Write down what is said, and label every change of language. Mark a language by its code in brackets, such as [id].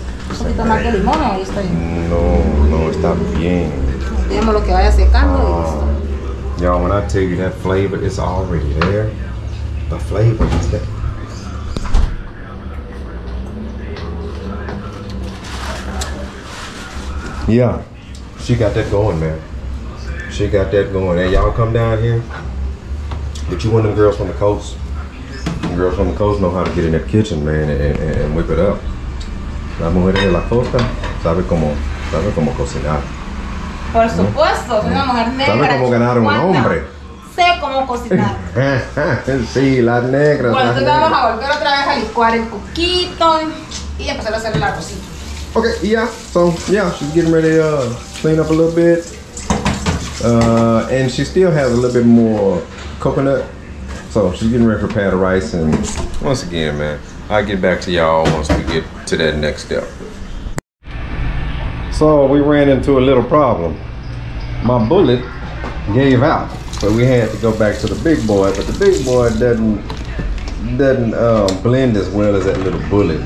[es] Un poquito más de limón, ahí está bien. No, no, está bien. Vemos lo que vaya secando. [en] Y'all, when I tell you that flavor is already there, the flavor is there. Yeah, she got that going, man. She got that going. And y'all come down here, get you one of them girls from the coast. Them girls from the coast know how to get in that kitchen, man, and whip it up. [es] Las mujeres de la costa sabe cómo cocinar. Por supuesto, soy una mujer negra. Sabe cómo ganar un hombre. Sé cómo cocinar. Sí, las negras. Bueno, entonces vamos a volver otra vez a licuar el coquito y empezar a hacer el arrocito. [en] Okay, yeah, so yeah, she's getting ready to clean up a little bit. And she still has a little bit more coconut. So she's getting ready for pad of rice. And once again, man, I'll get back to y'all once we get to that next step. So we ran into a little problem. My bullet gave out, but we had to go back to the big boy, but the big boy doesn't blend as well as that little bullet.